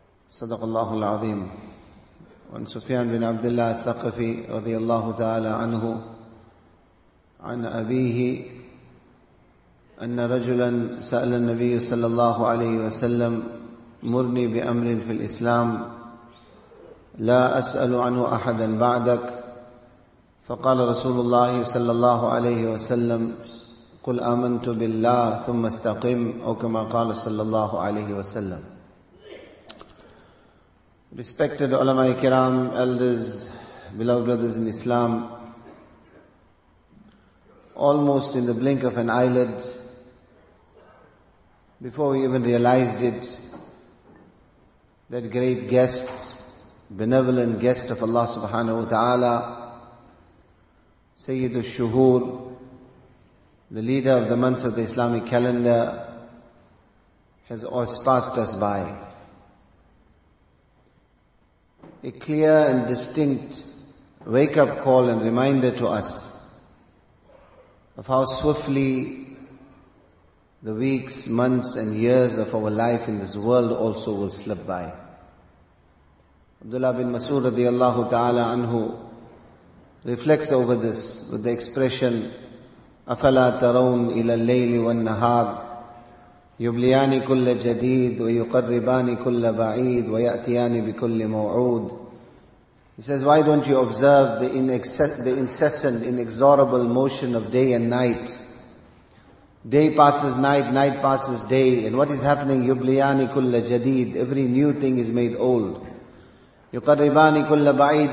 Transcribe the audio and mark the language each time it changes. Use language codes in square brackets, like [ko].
[ar] صدق الله العظيم وعن سفيان بن عبد الله الثقفي رضي الله تعالى عنه عن أبيه أن رجلا سأل النبي صلى الله عليه وسلم مرني بأمر في الإسلام لا أسأل عنه أحدا بعدك فقال رسول الله صلى الله عليه وسلم قل آمنت بالله ثم استقم أو كما قال صلى الله عليه وسلم. [en] Respected [ar] علماء الكرام, [en] elders, beloved brothers in Islam, almost in the blink of an eyelid, before we even realized it, that great guest, benevolent guest of Allah subhanahu wa ta'ala, Sayyid al-Shuhur, the leader of the months of the Islamic calendar, has passed us by. A clear and distinct wake-up call and reminder to us of how swiftly the weeks, months and years of our life in this world also will slip by. Abdullah bin Mas'ud radiallahu ta'ala anhu reflects over this with the expression, [ar] أَفَلَا تَرَوْنَ إِلَى اللَّيْلِ وَالنَّهَارِ يُبْلِيَانِ كُلَّ جَدِيدِ وَيُقَرِّبَانِ كُلَّ بَعِيدِ وَيَأْتِيَانِ بِكُلِّ مَوْعُودِ. [en] He says, why don't you observe the incessant, inexorable motion of day and night? Day passes night, night passes day, and what is happening? [ar] يُبْلِيَانِ كُلَّ جَدِيدِ. [en] Every new thing is made old. [ar] يُقَرِّبَانِ كُلَّ بَعِيدٍ.